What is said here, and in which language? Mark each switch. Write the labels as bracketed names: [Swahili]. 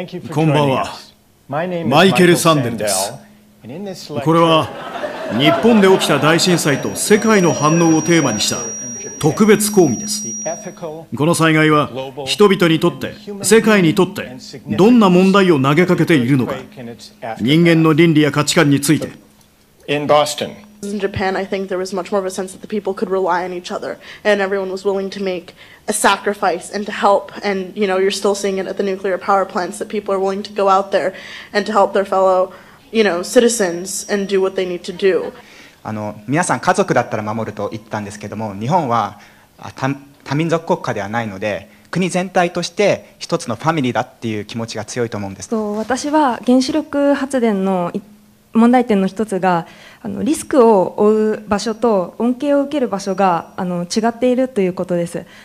[Japanese] こんばんは、マイケル・サンデルです。これは日本で起きた大震災と世界の反応をテーマにした特別講義です。この災害は人々にとって、世界にとってどんな問題を投げかけているのか、人間の倫理や価値観について。 [English] In Boston. In Japan, I think there was much more of a sense that the people could rely on each other, and everyone was willing to make a sacrifice and to help. And, you know, you're still seeing it at the nuclear power plants, that people are willing to go out there and to help their fellow, you know, citizens and do what they need to do. [Japanese] 皆さん家族だったら守ると言ったんですけども、日本は多民族国家ではないので、国全体として一つのファミリーだっていう気持ちが強いと思うんです。私は原子力発電の問題点の一つが、リスクを負う場所と恩恵を受ける場所が違っているということです。